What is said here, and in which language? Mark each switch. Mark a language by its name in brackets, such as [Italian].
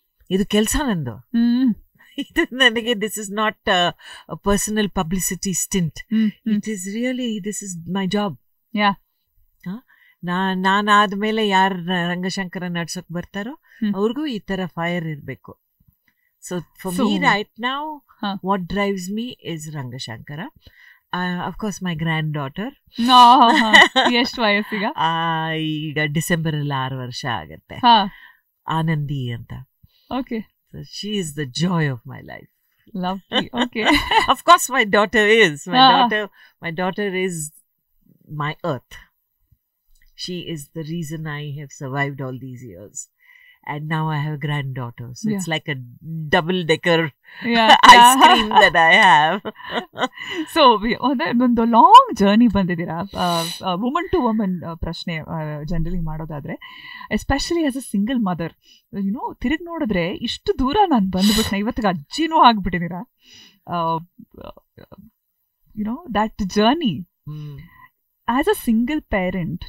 [Kannada] ಇದು ಕೆಲಸ ನಂದು, ಇದು ನನಗೆ, [English] This is not a personal publicity stint, it is really this is my job. [Kannada] ನಾನಾದಮೇಲೆ ಯಾರು ರಂಗಶಂಕರ ನಡ್ಸೋಕೆ ಬರ್ತಾರೋ ಅವ್ರಿಗೂ ಈ ಥರ ಫೈರ್ ಇರಬೇಕು. [English] So for me right now, what drives me is Rangashankara. Of course, my granddaughter. No, yes, why is it? [Kannada] December 6th varsha agutte. Anandi anta. [English] Okay. So she is the joy of my life. Lovely. Okay. Of course, my daughter is. My daughter is my earth. She is the reason I have survived all these years. And now I have a granddaughter. So yeah. It's like a double-decker ice cream that I have. [Kannada] So ಒಂದು long journey ಬಂದಿದ್ದೀರಾ woman to woman ಪ್ರಶ್ನೆ generally ಮಾಡೋದಾದ್ರೆ, [English] especially as a single mother, [Kannada] YONO ತಿರುಗಿ ನೋಡಿದ್ರೆ ಇಷ್ಟು ದೂರ ನಾನು ಬಂದ್ಬಿಟ್ಟೆ, ಇವತ್ತಿಗೆ ಅಜ್ಜಿನೂ ಆಗ್ಬಿಟ್ಟಿದ್ದೀರಾ, [English] You know that journey as a single parent.